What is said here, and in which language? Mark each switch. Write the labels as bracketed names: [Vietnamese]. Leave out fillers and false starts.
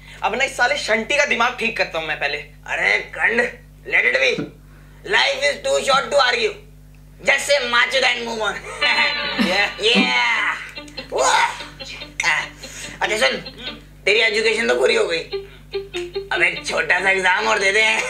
[Hindi] अब ना इस साले शंटी का दिमाग ठीक करता हूँ मैं पहले। अरे गंड, [English] let it be. Life is too short to argue. Just say macho and move on. Yeah. Yeah. [Hindi] अच्छा सुन, तेरी एजुकेशन तो पूरी हो गई। अब एक छोटा सा एग्जाम और दे दे।